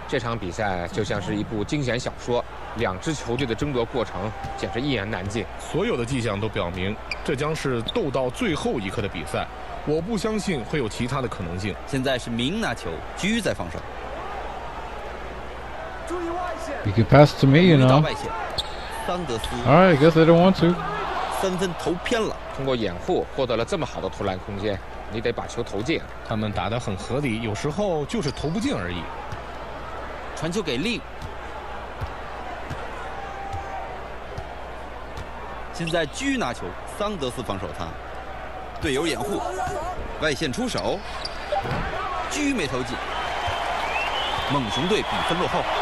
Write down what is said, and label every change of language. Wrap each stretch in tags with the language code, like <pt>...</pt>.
<zh>这场比赛就像是一部惊险小说，两支球队的争夺过程简直一言难尽。所有的迹象都表明，这将是斗到最后一刻的比赛，我不相信会有其他的可能性。现在是明拿球，居在防守。</zh> <en>You can pass to me, you know. All right, I guess I don't want to.</en> <zh>三分投偏了，通过掩护获得了这么好的投篮空间，你得把球投进。他们打得很合理，有时候就是投不进而已。传球给令，现在居拿球，桑德斯防守他，队友掩护，外线出手，居没投进，猛熊队比分落后。</zh>